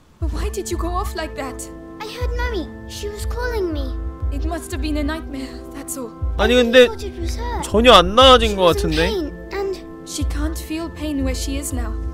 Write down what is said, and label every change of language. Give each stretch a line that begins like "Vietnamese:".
English: But why did you go off like that? I heard Mommy. She was calling me. It must have been a nightmare, that's all.
Korean: 아니 근데 전혀 안 나아진 거 같은데.
English: And she can't feel pain where she is now.